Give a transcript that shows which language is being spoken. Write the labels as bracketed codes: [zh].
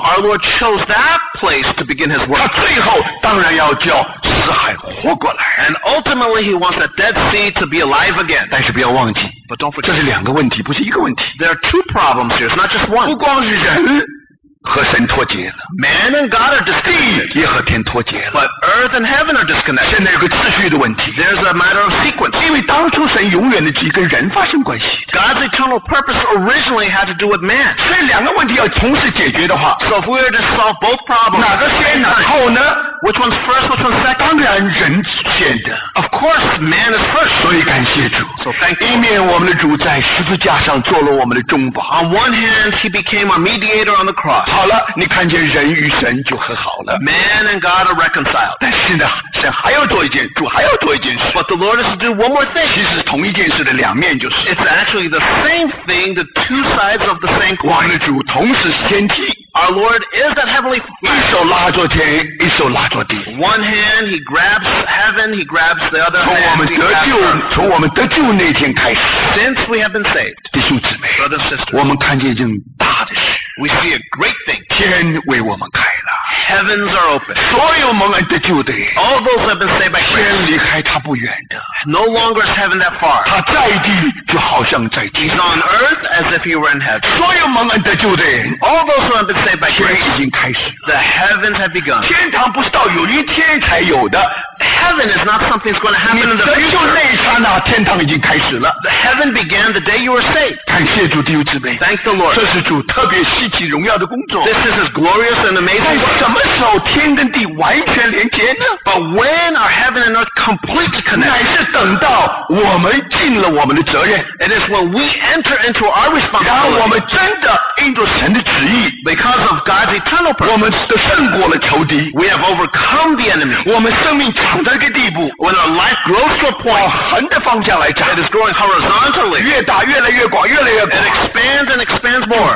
[en] Our Lord chose that place to begin his work. [zh] 他最后当然要叫死海活过来 [en] And ultimately he wants the Dead Sea to be alive again. [zh] 但是不要忘记 [en] But don't forget, [zh] 这是两个问题不是一个问题 [en] There are two problems here, it's not just one. [zh] 不光是人和神脱节了 [en] Man and God are disconnected [zh] 地也和天脱节了 [en] But earth and heaven are disconnected [zh] 现在有个秩序的问题 [en] There's a matter of sequence [zh] 因为当初神永远的旨意跟人发生关系 [en] God's eternal purpose originally had to do with man [zh] 所以两个问题要同时解决的话 [en] So if we were to solve both problems [zh] 哪个先哪后呢 [en] Which one's first, which one's second [zh] 当然人先的 [en] Of course, man is first [zh] 所以感谢主 [en] So thank you [zh] 一面我们的主在十字架上做了我们的中保 [en] On one hand, he became our mediator on the cross [zh] 好了，你看见人与神就和好了。 [en] Man and God are reconciled. [zh] 但是呢，神还要做一件，主还要做一件事。 [en] But the Lord is to do one more thing. [zh] 其实同一件事的两面就是。 [en] It's actually the same thing, the two sides of the same coin. [zh] 我们的主同时是天梯。 [en] Our Lord is that heavenly. [zh] 一手拉着天，一手拉着地。 [en] One hand he grabs heaven, he grabs the other hand. [zh] 从我们得救那天开始。 [en] Since we have been saved. [zh] 弟兄姊妹 [en] Brothers and sisters. [zh] 我们看见一件大的事。 [en] We see a great thing. [zh] 天为我们开了。 [en] Heavens are open. [zh] 所有蒙恩得救的。 [en] All those who have been saved by grace. [zh] 天离开他不远的。 [en] No longer is heaven that far. [zh] 他在地就好像在地。 [en] He's on earth as if he were in heaven. [zh] 所有蒙恩得救的。 [en] All those who have been saved by grace. [zh] 天已经开始了。 [en] The heavens have begun. [zh] 天堂不是到有一天才有的。 [en] Heaven is not something that's going to happen in the future. [zh] 你得救那一刹那，天堂已经开始了。 [en] The heaven began the day you were saved. [zh] 感谢主，弟兄姊妹。 [en] Thank the Lord. [zh] 这是主特别稀奇荣耀的工作。 [en] This is his glorious and amazing work. [zh] 什么时候天跟地完全连接呢？ [en] But when are heaven and earth completely connected? [zh] 乃是等到我们尽了我们的责任。 [en] It is when we enter into our responsibility. [zh] 然后我们真的按照神的旨意。 [en] Because of God's eternal purpose. [zh] 我们都胜过了仇敌。 [en] We have overcome the enemy. [zh] 我们生命长到一个地步。 [en] When our life grows to a point. [zh] 往横的方向来长。 [en] It is growing horizontally. [zh] 越大越来越广越来越广。 [en] It expands and expands more.